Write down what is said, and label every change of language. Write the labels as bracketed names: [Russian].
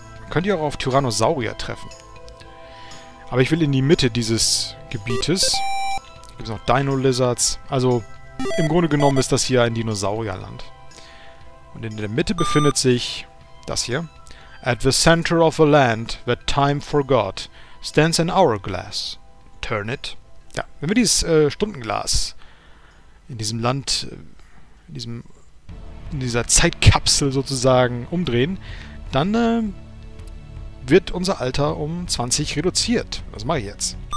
[German] Könnt ihr auch auf Tyrannosaurier treffen. Aber ich will in die Mitte dieses Gebietes. Hier gibt es noch Dino-Lizards. Also, im Grunde genommen ist das hier ein Dinosaurierland. Und in der Mitte befindet sich das hier. [English] At the center of a land that time forgot stands an hourglass. Turn it. [German] Ja, wenn wir dieses Stundenglas in diesem Land, in dieser Zeitkapsel sozusagen umdrehen, dann wird unser Alter um 20 reduziert. Was mache ich jetzt?